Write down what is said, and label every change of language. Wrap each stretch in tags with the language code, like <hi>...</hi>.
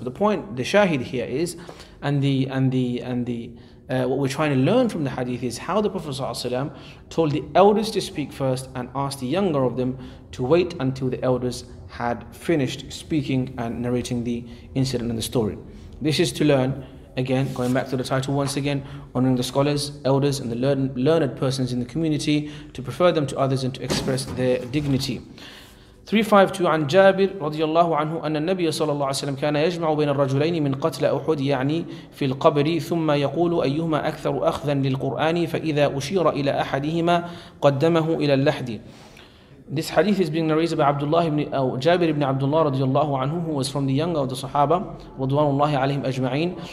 <en>But the point, the shahid here is, what we're trying to learn from the hadith is how the Prophet ﷺ told the elders to speak first and asked the younger of them to wait until the elders had finished speaking and narrating the incident and the story. This is to learn, again, going back to the title once again, honoring the scholars, elders, and the learned persons in the community, to prefer them to others and to express their dignity.</en> <ar>352 عن جابر رضي الله عنه أن النبي صلى الله عليه وسلم كان يجمع بين الرجلين من قتل أحد يعني في القبر ثم يقول أيهما أكثر أخذا للقرآن فإذا أشير إلى أحدهما قدمه إلى اللحد.</ar> <en>This hadith is being narrated by Abdullah ibn Jabir ibn Abdullah</en> <ar>رضي الله عنه,</ar> <en>who was from the younger of the Sahaba</en> <ar>رضوان الله عليهم أجمعين.</ar>